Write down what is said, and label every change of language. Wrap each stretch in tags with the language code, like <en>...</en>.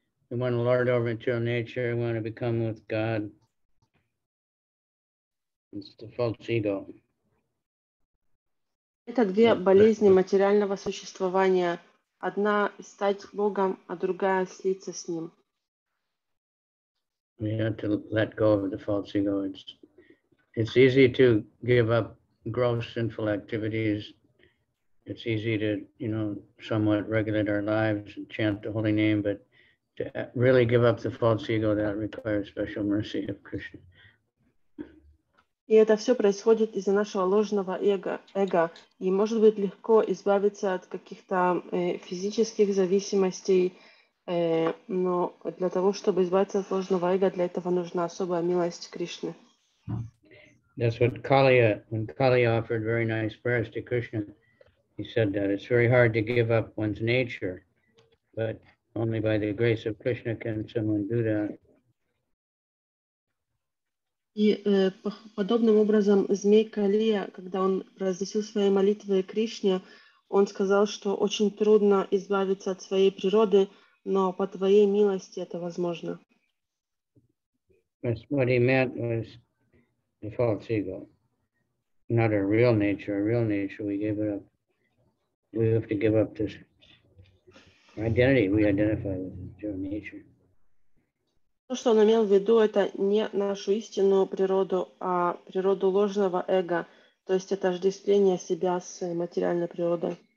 <en>We want to lord over material nature, we want to become with God. It's the false ego.</en> <ru>Это две болезни материального существования. Одна — стать Богом, а другая — слиться с Ним.</ru> <en>We have to let go of the false ego. It's easy to give up gross sinful activities. It's easy to, you know, somewhat regulate our lives and chant the holy name, but to really give up the false ego, that requires special mercy of Krishna.</en> <ru>И это все происходит из-за нашего ложного эго. И может быть легко избавиться от каких-то физических зависимостей, но для того, чтобы избавиться от ложного эго, для этого нужна особая милость Кришны.</ru> <en>That's what Kaliya, when Kaliya offered very nice prayers to Krishna, he said that it's very hard to give up one's nature, but only by the grace of Krishna can someone do that.</en> <ru>И подобным образом змей Калия, когда он произносил свои молитвы Кришне, он сказал, что очень трудно избавиться от своей природы, но по твоей милости это возможно.</ru> <en>What he meant was the false ego, not a real nature. A real nature, we gave it up. We have to give up this identity we identify with material nature.</en> <ru>То, что он имел в виду, это не нашу истинную природу, а природу ложного эго, то есть отождествление себя с материальной природой.</ru>